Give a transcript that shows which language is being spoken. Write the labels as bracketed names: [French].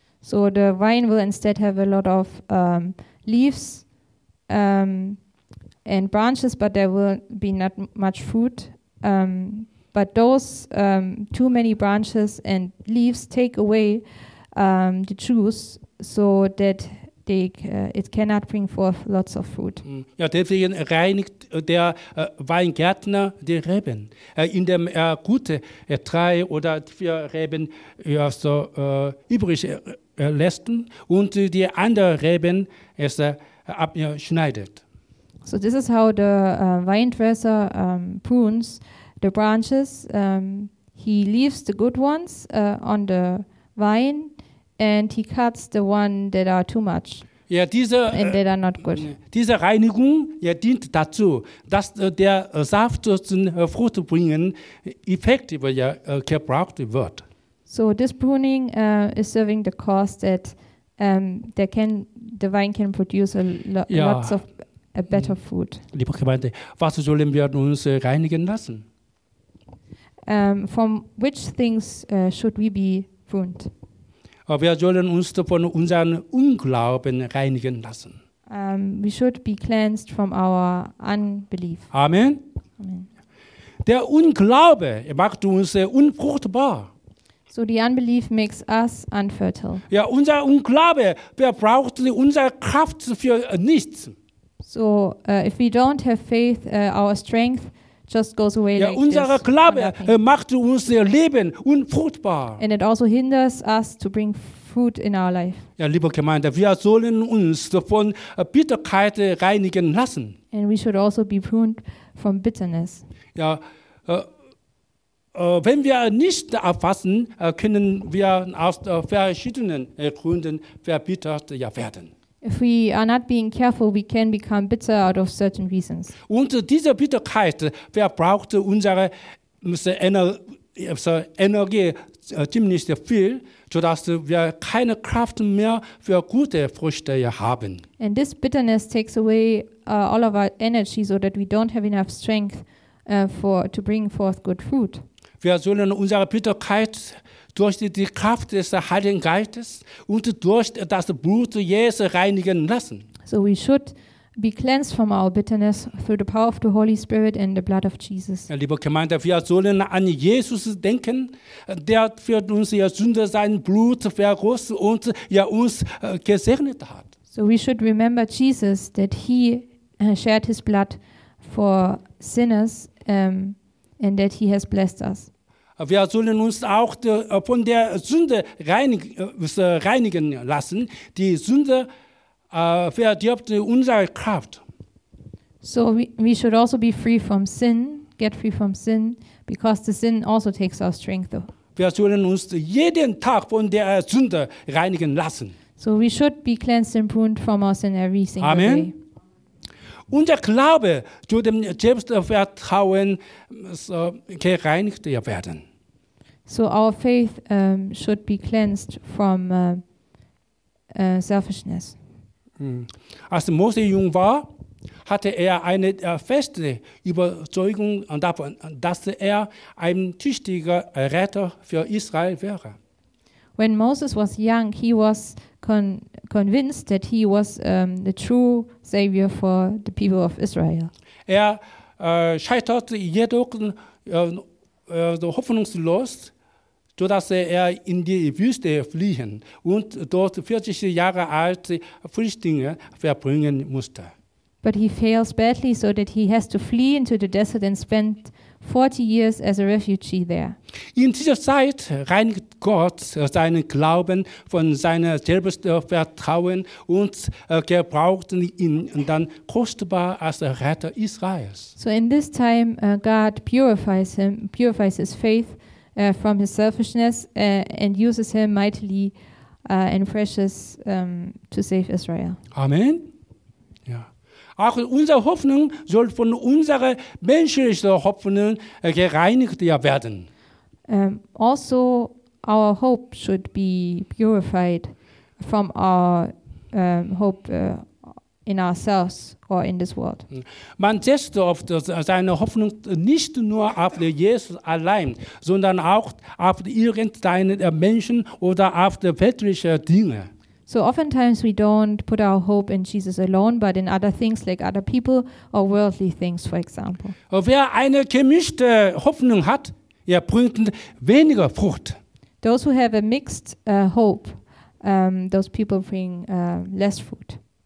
[English] So the vine will instead have a lot of leaves and branches, but there will be not much fruit. But those too many branches and leaves take away the juice, so that they it cannot bring forth lots of fruit. [German] Ja, deswegen reinigt der Weingärtner die Reben, indem er gute drei oder vier Reben übrig lässt und die anderen Reben abschneidet. [English] So this is how the vine dresser prunes the branches. He leaves the good ones on the vine and he cuts the one that are too much. [German] Ja, diese, [English] and that are not good. [German] Diese Reinigung dient dazu, dass der Saft zum Frucht bringen effektiver gebraucht wird. [English] So this pruning is serving the cause that the vine can produce lots of a better fruit. [German] Liebe Gemeinde, was sollen wir uns reinigen lassen? [English] From which things should we be pruned? [German] Wir sollen uns von unseren Unglauben reinigen lassen. [English] We should be cleansed from our unbelief. [German] Amen. Amen. Der Unglaube macht uns unfruchtbar. [English] So the unbelief makes us unfertile. [German] Ja, unser Unglaube verbraucht unsere Kraft für nichts. [English] So if we don't have faith, our strength just goes away. [German] Ja, [English] like [German] unser Glaube macht unser Leben unfruchtbar. [English] And it also hinders us to bring fruit in our life. [German] Ja, liebe Gemeinde, wir sollen uns von Bitterkeit reinigen lassen. [English] And we should also be pruned from bitterness. [German] Ja, wenn wir nicht erfassen, können wir aus verschiedenen Gründen verbittert werden. [English] If we are not being careful, we can become bitter out of certain reasons. [German] Und diese Bitterkeit verbraucht unsere Energie ziemlich viel, sodass wir keine Kraft mehr für gute Früchte haben. [English] And this bitterness takes away all of our energy, so that we don't have enough strength to bring forth good fruit. [German] Wir sollen unsere Bitterkeit durch die Kraft des Heiligen Geistes und durch das Blut Jesu reinigen lassen. [English] So we should be cleansed from our bitterness through the power of the Holy Spirit and the blood of Jesus. [German] Ja, liebe Gemeinde, wir sollen an Jesus denken, der für unsere Sünde sein Blut vergossen und uns gesegnet hat. [English] So we should remember Jesus, that he shed his blood for sinners and that he has blessed us. [German] Wir sollen uns auch von der Sünde reinigen lassen. Die Sünde verdirbt unsere Kraft. [English] So we should also be free from sin, get free from sin, because the sin also takes our strength. [German] Wir sollen uns jeden Tag von der Sünde reinigen lassen. [English] So we should be cleansed and pruned from our sin every single Amen. Day. [German] Unser Glaube zu dem Selbstvertrauen gereinigt werden. [English] So our faith should be cleansed from selfishness. [German] Als Mose jung war, hatte er eine feste Überzeugung davon, dass er ein tüchtiger Retter für Israel wäre. [English] When Moses was young, he was convinced that he was the true savior for the people of Israel. [German] Er scheiterte jedoch so hoffnungslos, sodass er in die Wüste fliehen und dort 40 Jahre alt Flüchtlinge verbringen musste. [English] But he fails badly, so that he has to flee into the desert and spend 40 years as a refugee there. [German] In dieser Zeit reinigt Gott seinen Glauben von seinem Selbstvertrauen und gebraucht ihn dann kostbar als Retter Israels. [English] So in this time God purifies him, purifies his faith from his selfishness and uses him mightily and precious to save Israel. [German] Amen. Ja. Auch unsere Hoffnung soll von unserer menschlichen Hoffnung gereinigt werden. [English] Also, our hope should be purified from our hope in ourselves or in this world. [German] Man setzt oft seine Hoffnung nicht nur auf Jesus allein, sondern auch auf irgendeine Menschen oder auf die weltliche Dinge. [English] So oftentimes we don't put our hope in Jesus alone, but in other things like other people or worldly things, for example. [German] Wer eine gemischte Hoffnung hat, er bringt weniger Frucht. [English] Those who have a mixed hope, those people bring less fruit.